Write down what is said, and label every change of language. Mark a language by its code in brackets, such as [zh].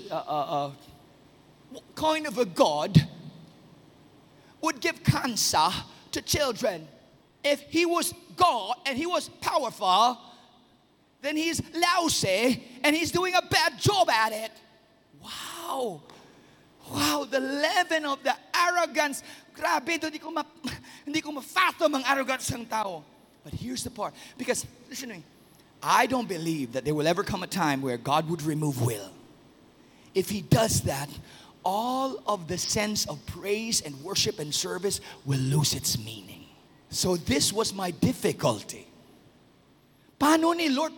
[en] What kind of a God would give cancer to children? If he was God and he was powerful, then he's lousy and he's doing a bad job at it. Wow. Wow, the leaven of the arrogance. [tl] Grabe, hindi ko ma-fathom ang arrogance ng tao. [en] But here's the part. Because, listen to me, I don't believe that there will ever come a time where God would remove will. If he does that, all of the sense of praise and worship and service will lose its meaning. So this was my difficulty. Paano ni Lord?